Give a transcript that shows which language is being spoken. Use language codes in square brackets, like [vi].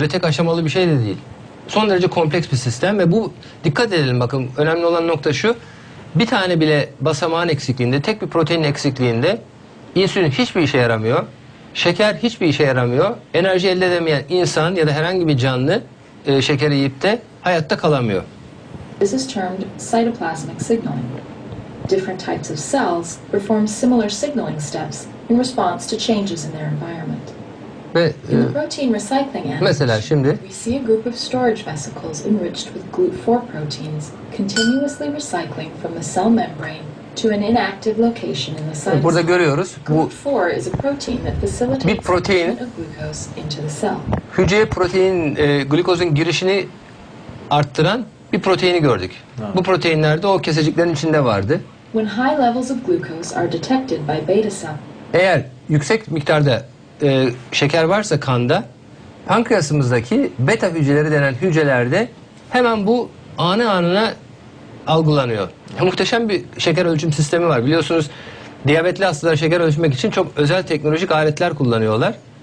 [tr] Öyle tek aşamalı bir şey de değil. Son derece kompleks bir sistem ve bu, dikkat edelim bakın, önemli olan nokta şu: bir tane bile basamağın eksikliğinde, tek bir protein eksikliğinde insülin hiçbir işe yaramıyor, şeker hiçbir işe yaramıyor, enerji elde edemeyen insan ya da herhangi bir canlı şekeri yiyip de hayatta kalamıyor. [en] This is termed cytoplasmic signaling. Different types of cells perform similar signaling steps in response to changes in their environment. [tr] Ve, [en] in the protein recycling end, [tr] mesela şimdi [en] we see a group of storage vesicles enriched with GLUT4 proteins continuously recycling from the cell membrane to an inactive location in the cytosol. [tr] Burada görüyoruz. Bu [en] GLUT4 is a protein that facilitates [tr] bir protein [en] glucose into the cell. [tr] Hücreye protein glikozun girişini arttıran bir proteini gördük. Ha. Bu proteinler de o keseciklerin içinde vardı. [en] When high levels of glucose are detected by beta cell. [tr] Eğer yüksek miktarda şeker varsa kanda, pankreasımızdaki beta hücreleri denen hücrelerde hemen bu anı anına algılanıyor. Muhteşem bir şeker ölçüm sistemi var. Biliyorsunuz diyabetli hastalar şeker ölçmek için çok özel teknolojik aletler kullanıyorlar.